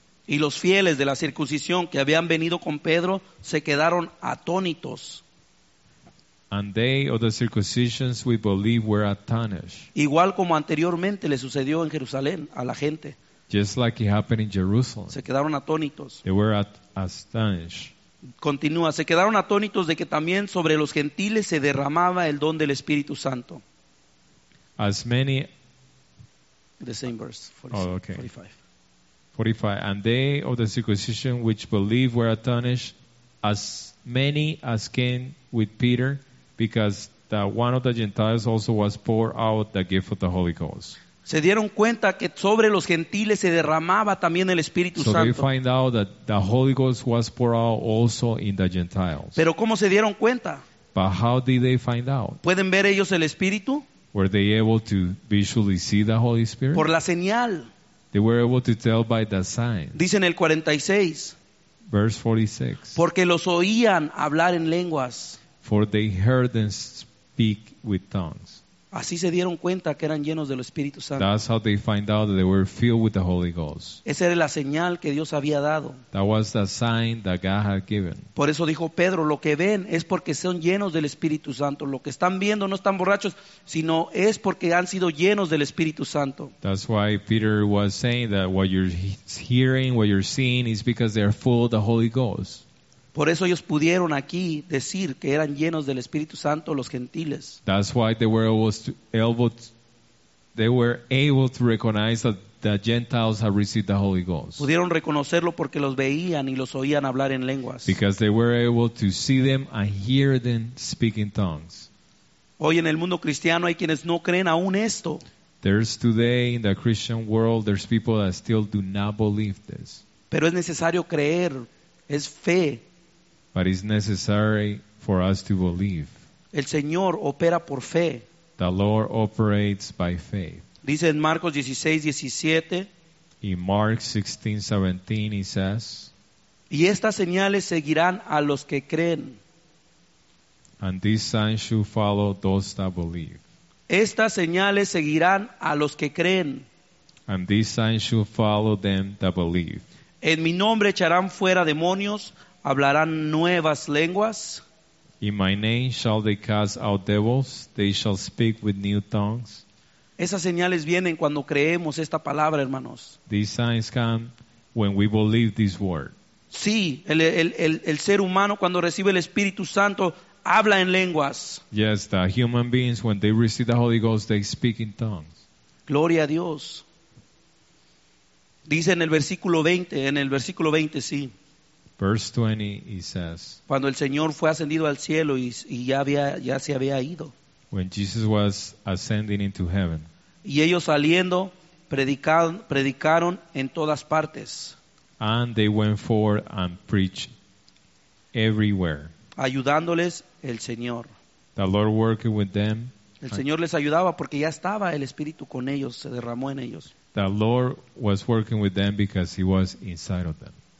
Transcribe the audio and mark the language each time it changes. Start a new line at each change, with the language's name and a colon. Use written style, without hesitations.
Spanish: Y los fieles de la circuncisión que habían venido con Pedro se quedaron atónitos.
English: And they of the circumcisions we believe were astonished.
Spanish: Igual como anteriormente le sucedió en Jerusalén a la gente.
English: Just like it happened in Jerusalem.
Spanish: Se quedaron atónitos.
English: They were astonished.
Spanish: Continúa, se quedaron atónitos de que también sobre los gentiles se derramaba el don del Espíritu Santo.
English: As many. The same verse. 45. Oh, okay. 45. And they of the circumcision which believed were astonished, as many as came with Peter, because that one of the Gentiles also was poured out the gift of the Holy Ghost.
Spanish: Se dieron cuenta que sobre los gentiles se derramaba también el Espíritu Santo.
English: So they find out that the Holy Ghost was poured out also in the Gentiles.
Spanish: Pero ¿cómo se dieron cuenta?
English: But how did they find out?
Spanish: ¿Pueden ver ellos el Espíritu?
English: Were they able to visually see the Holy Spirit?
Spanish: Por la señal.
English: They were able to tell by the signs.
Spanish: Dice en el 46.
English: Verse 46.
Spanish: Porque los oían hablar en lenguas.
English: For they heard them speak with tongues.
Spanish: Así se dieron cuenta que eran llenos del Espíritu Santo.
English: That's how they find out that they were filled with the Holy Ghost.
Spanish: Esa era la señal que Dios había dado.
English: That was the sign that God had given.
Spanish: Por eso dijo Pedro, lo que ven es porque son llenos del Espíritu Santo. Lo que están viendo no están borrachos, sino es porque han sido llenos del Espíritu Santo.
English: That's why Peter was saying that what you're hearing, what you're seeing is because they're full of the Holy Ghost.
Spanish: Por eso ellos pudieron aquí decir que eran llenos del Espíritu Santo los gentiles.
English: That's why they were able to recognize that the Gentiles had received the Holy Ghost.
Spanish: Pudieron reconocerlo porque los veían y los oían hablar en lenguas.
English: Because they were able to see them and hear them speak in tongues.
Spanish: Hoy en el mundo cristiano hay quienes no creen aún esto.
English: There's today in the Christian world there's people that still do not believe this.
Spanish: Pero es necesario creer, es fe.
English: But it's necessary for us to believe.
Spanish: El Señor opera por fe.
English: The Lord operates by faith.
Spanish: Dice en Marcos 16:17.
English: In Mark 16:17 he says.
Spanish: Y estas señales seguirán a los que creen.
English: And these signs shall follow those that believe.
Spanish: Estas señales seguirán a los que creen.
English: And these signs shall follow them that believe.
Spanish: En mi nombre echarán fuera demonios. Hablarán nuevas lenguas.
English: In my name shall they cast out devils. They shall speak with new tongues.
Spanish: Esas señales vienen cuando creemos esta palabra, hermanos.
English: These signs come when we believe this word.
Spanish: Sí, el ser humano cuando recibe el Espíritu Santo habla en lenguas.
English: Yes, the human beings when they receive the Holy Ghost they speak in tongues.
Spanish: Gloria a Dios. Dice en el versículo 20, sí.
English: Verse 20, he says.
Spanish: Cuando el Señor fue ascendido al cielo y ya se había ido.
English: When Jesus was ascending into heaven.
Spanish: Y ellos saliendo predicaron en todas partes.
English: And they went forth and preached everywhere.
Spanish: Ayudándoles el Señor.
English: The Lord working with them.
Spanish: El Señor les ayudaba porque ya estaba el Espíritu con ellos, se derramó en ellos.
English: The Lord was working with them because he was inside of them.